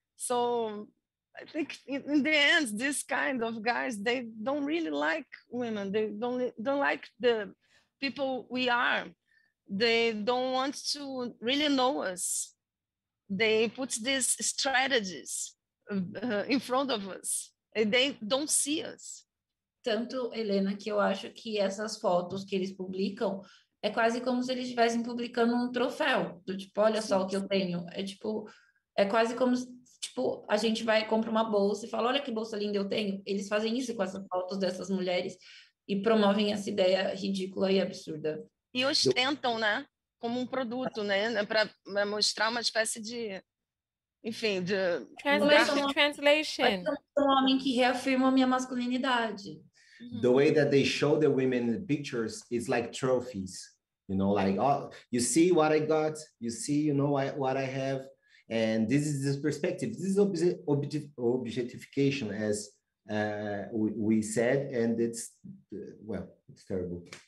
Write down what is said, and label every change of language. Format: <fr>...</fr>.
<en>So I think in the end, this kind of guys, they don't really like women. They don't like the people we are. They don't want to really know us. They put these strategies in front of us. And they don't see us.</en> <pt>Tanto, Helena, que eu acho que essas fotos que eles publicam é quase como se eles estivessem publicando um troféu. Do tipo, olha só o que eu tenho. É quase como se a gente vai compra uma bolsa e fala, olha que bolsa linda eu tenho. Eles fazem isso com essas fotos dessas mulheres e promovem essa ideia ridícula e absurda. E ostentam, né, como um produto, né, para mostrar uma espécie de, enfim, de...</pt> <en>Translation.</en> <pt>Um homem que reafirma a minha masculinidade.</pt> <en>The way that they show the women in the pictures is like trophies, you know, like, oh, you see what I got, you see, you know, what I have, and this is this perspective, this is objectification, as we said, and it's, well, it's terrible.</en>